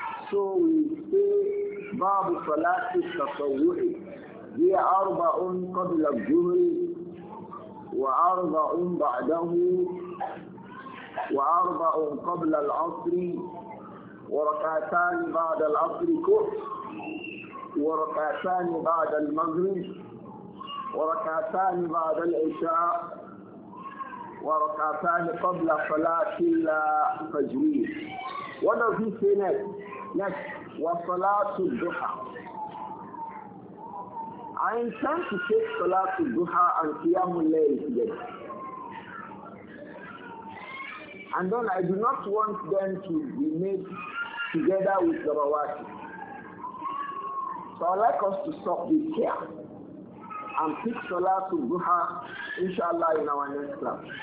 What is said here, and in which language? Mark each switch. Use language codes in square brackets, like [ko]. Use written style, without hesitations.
[en] So we say, [ar] Babu Salati Tatawwu'i, Hiya Arba'un Qabla Al-Juhri, Wa Arba'un Ba'dahu, Wa Arba'un Qabla Al-Asri, وركعتان بعد العصر كف وركعتان بعد المغرب وركعتان بعد العشاء وركعتان قبل صلاة الفجر. [en] What does he say next? Next, [ar] وصلاة الضحى. [en] I intend to take [ar] صلاة الضحى [en] and [ar] قيام الليل [en] today. And then I do not want them to be made together with the Rawati. So I'd like us to stop this here and pick Salah to Duha, inshallah, in our next class.